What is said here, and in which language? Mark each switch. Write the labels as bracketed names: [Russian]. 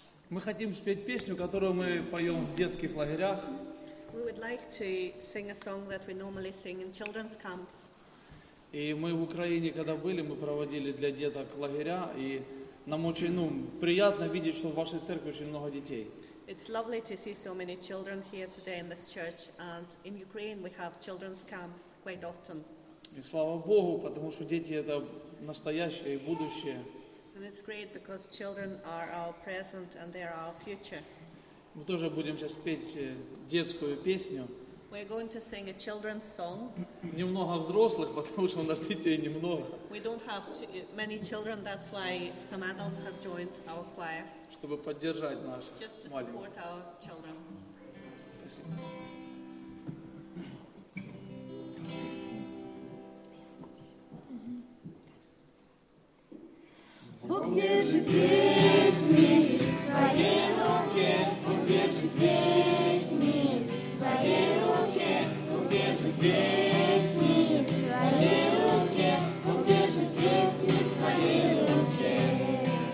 [Russian] Мы хотим спеть песню, которую мы поем в детских лагерях. [English] We would like to sing a song that we normally sing in children's camps. [Russian] И мы в Украине, когда были, мы проводили для деток лагеря, и нам очень, ну, приятно видеть, что в вашей церкви очень много детей. [English] It's lovely to see so many children here today in this church, and in Ukraine we have children's camps quite often. [Russian] И слава Богу, потому что дети — это настоящее и будущее. [English] And it's great because children are our present and they are our future. [Russian] Мы тоже будем сейчас петь детскую песню. [English] We're going to sing a children's song. [Russian] Немного взрослых, потому что у нас детей немного. [English] We don't have many children, that's why some adults have joined our choir. [Russian] Чтобы поддержать наших маленьких. [English] Just to support our children. [Russian] Бог держит весь мир в своей руке, Бог держит весь мир в своей руке, Бог держит весь мир в своей руке, Бог держит весь мир в своей руке,